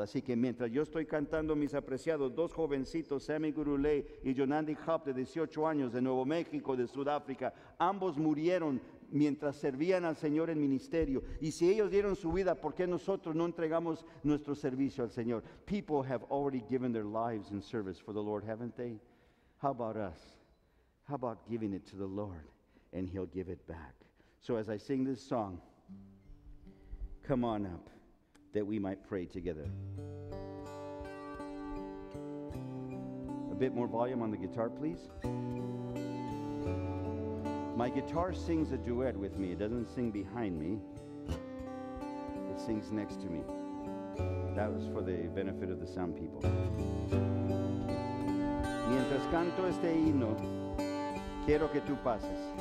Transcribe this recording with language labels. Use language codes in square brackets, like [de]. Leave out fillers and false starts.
[es] Así que mientras yo estoy cantando, mis apreciados, dos jovencitos, Sammy Gurule y Jonandi Hop, de 18 años, de Nuevo México, de Sudáfrica, ambos murieron mientras servían al Señor en ministerio. Y si ellos dieron su vida, ¿por qué nosotros no entregamos nuestro servicio al Señor? [en] People have already given their lives in service for the Lord, haven't they? How about us? How about giving it to the Lord and He'll give it back? So as I sing this song, come on up, that we might pray together. A bit more volume on the guitar, please. My guitar sings a duet with me. It doesn't sing behind me. It sings next to me. That was for the benefit of the sound people. [es] Mientras canto este himno, quiero que tú pases.